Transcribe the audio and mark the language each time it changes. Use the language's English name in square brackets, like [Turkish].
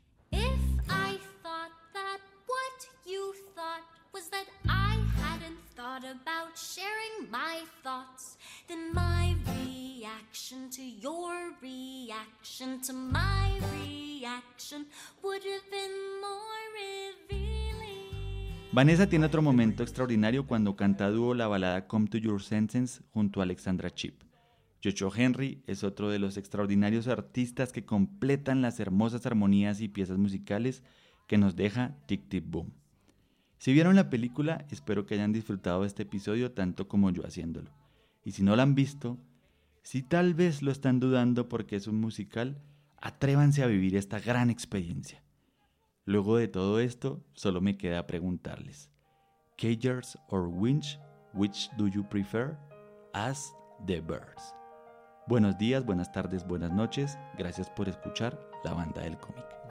[English] If I thought that what you thought was that I hadn't thought about sharing my thoughts, then my reaction to your reaction to my reaction would have been more revealing. [Spanish] Vanessa tiene otro momento extraordinario cuando canta a dúo la balada Come to Your Senses junto a Alexandra Chip. Jojo Henry es otro de los extraordinarios artistas que completan las hermosas armonías y piezas musicales que nos deja Tick, Tick, Boom. Si vieron la película, espero que hayan disfrutado este episodio tanto como yo haciéndolo. Y si no la han visto, si tal vez lo están dudando porque es un musical, atrévanse a vivir esta gran experiencia. Luego de todo esto, solo me queda preguntarles. [English] Cagers or Winch, which do you prefer? Ask the birds. [Spanish] Buenos días, buenas tardes, buenas noches. Gracias por escuchar La Banda del Cómic.